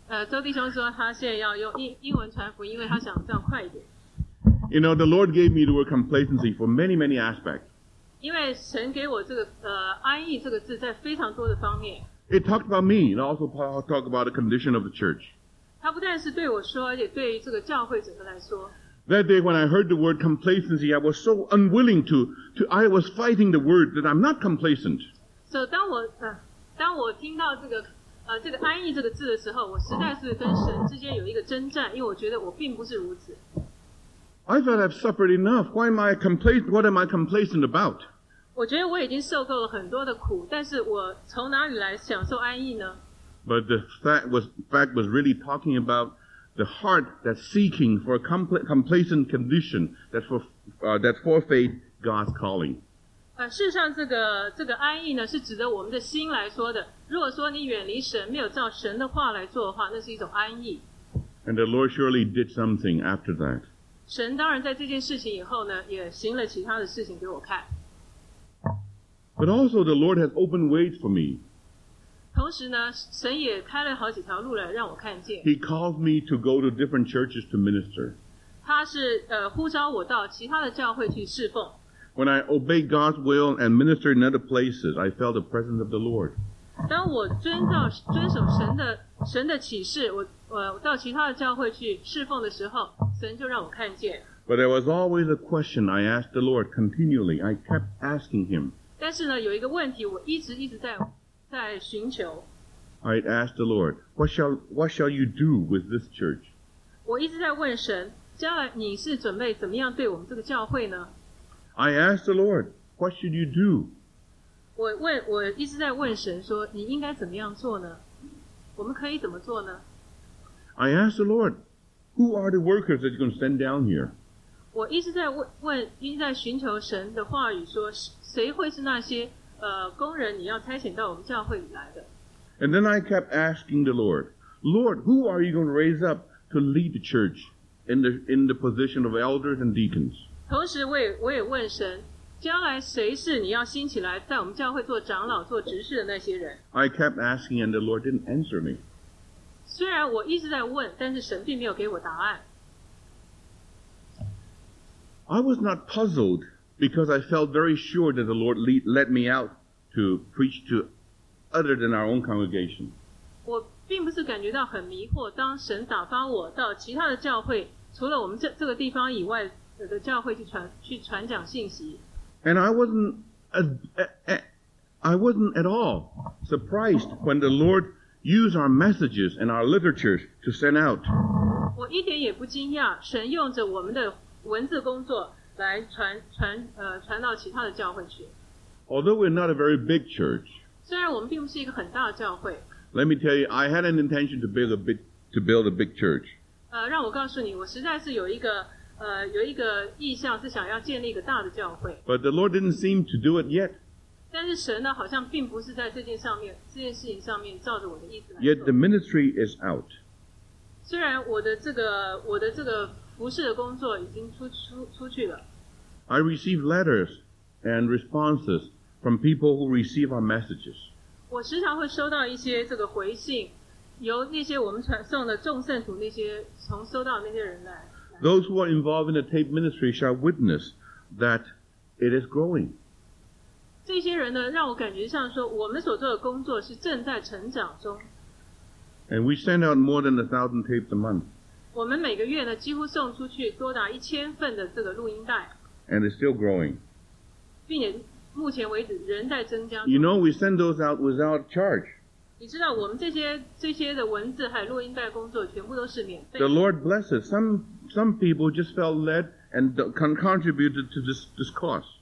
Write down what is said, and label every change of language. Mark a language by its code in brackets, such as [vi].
[zh] 周弟兄说他现在要用英文传福音，因为他想这样快一点。 [en] You know, the Lord gave me the word complacency for many, many aspects. [zh] 因为神给我这个安逸这个字在非常多的方面。 [en] It talked about me, and also talked about the condition of the church. [zh] 他不但是对我说，也对于这个教会整个来说。 [en] That day when I heard the word complacency, I was so unwilling to I was fighting the word that I'm not complacent. [zh] So 当我听到这个这个安逸这个字的时候，我实在是跟神之间有一个征战，因为我觉得我并不是如此。 [en] I thought I've suffered enough. Why am I complacent? What am I complacent about? [zh] 我觉得我已经受够了很多的苦，但是我从哪里来享受安逸呢？ [en] But the fact was really talking about the heart that's seeking for a complacent condition that forfeits God's calling. [zh] 事实上这个安逸呢，是指着我们的心来说的。如果说你远离神，没有照神的话来做的话，那是一种安逸。 [en] And the Lord surely did something after that. [zh] 神当然在这件事情以后呢，也行了其他的事情给我看。 [en] But also the Lord has opened ways for me. [zh] 同时呢，神也开了好几条路来让我看见。 [en] He called me to go to different churches to minister. [zh] 他是呼召我到其他的教会去侍奉。 [en] When I obeyed God's will and ministered in other places, I felt the presence of the Lord. [zh] 当我遵守神的启示，我到其他的教会去侍奉的时候，神就让我看见。 [en] But there was always a question I asked the Lord continually. I kept asking him. [zh] 但是呢，有一个问题我一直在寻求。 [en] I'd ask the Lord, what shall you do with this church? [zh] 我一直在问神，将来你是准备怎么样对我们这个教会呢？ [en] I asked the Lord, what should you do? [zh] 我一直在问神说，你应该怎么样做呢？我们可以怎么做呢？ [en] I asked the Lord, who are the workers that you're going to send down here? [zh] 我一直在问，一直在寻求神的话语，说谁会是那些工人你要差遣到我们教会里来的。 [en] And then I kept asking the Lord, Lord, who are you going to raise up to lead the church in the position of elders and deacons? [zh] 同时我也问神，将来谁是你要兴起来在我们教会做长老、做执事的那些人？ [en] I kept asking, and the Lord didn't answer me. [zh] 虽然我一直在问，但是神并没有给我答案。 [en] I was not puzzled because I felt very sure that the Lord led me out to preach to other than our own congregation. [zh] 我并不是感觉到很迷惑，当神打发我到其他的教会，除了我们这个地方以外的教会去传讲信息。 [en] And I wasn't at all surprised when the Lord. Use our messages and our literatures to send out. [zh] 我一点也不惊讶，神用着我们的文字工作来传到其他的教会去。 [en] Although we're not a very big church, [zh] 虽然我们并不是一个很大的教会。 [en] Let me tell you, I had an intention to build a big church. [zh] 让我告诉你，我实在是有一个意向是想要建立一个大的教会。 [en] But the Lord didn't seem to do it yet. [zh] 但是神呢，好像并不是在这件事情上面照着我的意思来做。 [en] Yet the ministry is out. [zh] 虽然我的这个服事的工作已经出去了。 [en] I receive letters and responses from people who receive our messages. [zh] 我时常会收到一些这个回信，由那些我们传送的众圣徒那些人来。 [en] Those who are involved in the tape ministry shall witness that it is growing. [zh] 这些人呢，让我感觉像说，我们所做的工作是正在成长中。 [en] And we send out more than 1,000 tapes a month. [zh] 我们每个月呢，几乎送出去多达1,000份的这个录音带。 [en] And it's still growing. [zh] 并且目前为止仍在增加。 [en] You know, we send those out without charge. [zh] 你知道，我们这些的文字还有录音带工作，全部都是免费。 [en] The Lord blesses some people just felt led and contributed to this cause.